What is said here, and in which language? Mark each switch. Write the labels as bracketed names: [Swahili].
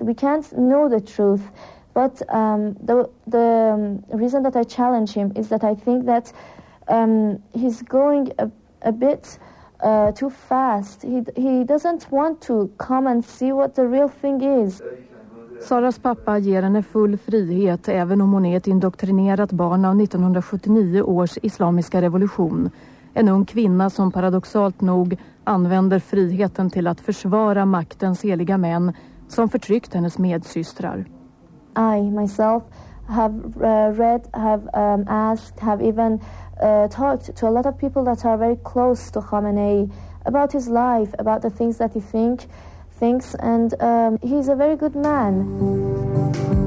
[English] We can't know the truth. But the reason that I challenge him is that I think that he's going a bit too fast. He doesn't want to come and see what the real thing is. [Swedish] Saras pappa ger henne full frihet även om hon är ett indoktrinerat barn av 1979 års islamiska revolution. En ung kvinna som paradoxalt nog använder friheten till att försvara maktens heliga män som förtryckt hennes medsystrar. [English] I myself have read, have asked, have even talked to a lot of people that are very close to Khamenei about his life, about the things that he thinks, and he's a very good man.